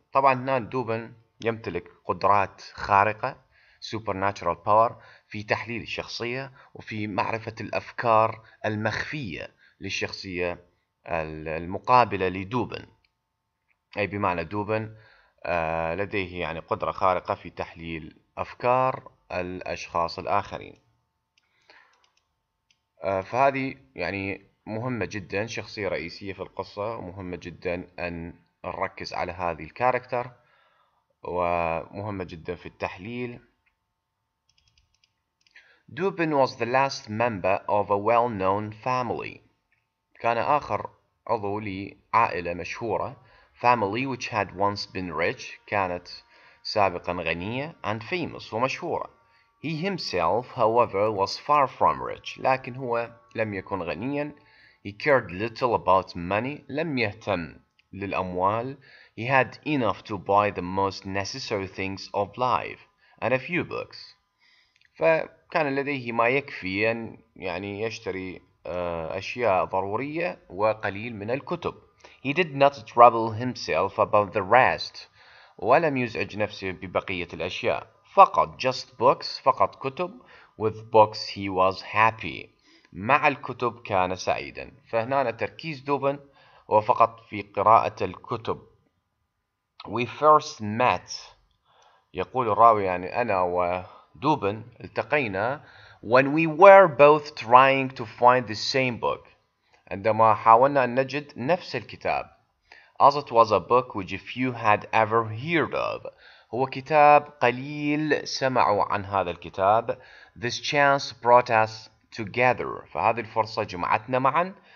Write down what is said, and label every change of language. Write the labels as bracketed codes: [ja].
[ar] طبعا هنا دوبن يمتلك قدرات خارقة [en] supernatural power [ar] في تحليل الشخصية وفي معرفة الأفكار المخفية للشخصية المقابلة لدوبن، أي بمعنى دوبن لديه يعني قدرة خارقة في تحليل أفكار الأشخاص الآخرين. فهذه يعني مهمة جدا، شخصية رئيسية في القصة، مهمة جدا أن نركز على هذه الكاركتر، ومهمة جدا في التحليل. [en] Dobbin was the last member of a well-known family. [ar] كان آخر عضو لعائلة مشهورة. [en] Family which had once been rich. [ar] كانت سابقا غنية. [en] And famous. [ar] ومشهورة. [en] He himself, however, was far from rich. [ar] لكن هو لم يكن غنيا. [en] He cared little about money. [ar] لم يهتم للأموال. [en] He had enough to buy the most necessary things of life and a few books. [ar] فكان لديه ما يكفي أن يعني يشتري أشياء ضرورية وقليل من الكتب. [en] He did not trouble himself about the rest. [ar] ولم يزعج نفسه ببقية الأشياء. فقط [en] just books، [ar] فقط كتب. [en] With books he was happy. [ar] مع الكتب كان سعيدا. فهنا تركيز دوبن وفقط في قراءة الكتب. [en] We first met. [ar] يقول الراوي يعني أنا ودوبن التقينا. [en] When we were both trying to find the same book. [ar] عندما حاولنا أن نجد نفس الكتاب. [en] As it was a book which few had ever heard of. [ar] هو كتاب قليل سمعوا عن هذا الكتاب. [en] This chance brought us together. [ar] فهذه الفرصة جمعتنا معا.